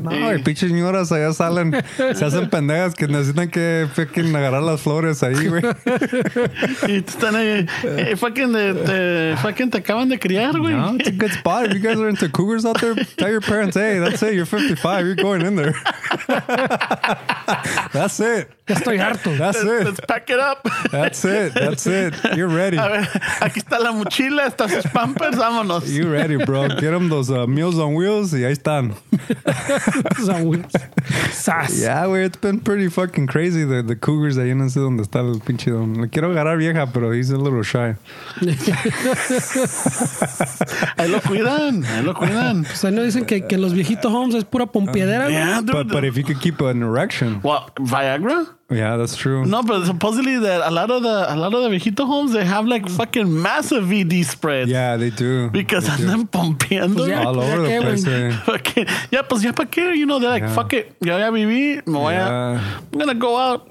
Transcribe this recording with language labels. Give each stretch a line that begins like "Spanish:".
Spanish: No, y pinches señoras allá salen, se hacen pendejas que necesitan que fucking agarrar las flores ahí, güey. Y están ahí, fucking te acaban de criar, güey.
English: No, it's a good spot. If you guys are into cougars out there, tell your parents, hey, that's it, you're 55, you're going in there. That's it.
Spanish: Estoy harto.
English: That's it. Let's pack it up. That's it. You're ready.
Spanish: A ver, aquí está la mochila, están sus pampers, vámonos.
English: You ready, bro. Get them those meals on wheels y ahí están. Meals on wheels. Sass.
Spanish: Yeah, güey, it's been pretty fucking crazy. The cougars, ahí no sé dónde está el pinche don. Le quiero agarrar vieja, pero he's a little shy. Ahí lo cuidan. Pues ahí no dicen que los viejitos homes es pura pompiadera.
English: But if you could keep an erection. What, Viagra? Yeah, that's true. No, but supposedly that a lot of the viejito homes, they have like fucking massive VD spreads. Yeah, they do. Because they andan pompeando. Pues all over the place. Yeah, pues ya pa' qué, you know, they're like, fuck it.
Spanish: Yo ya viví, me voy a... I'm gonna go out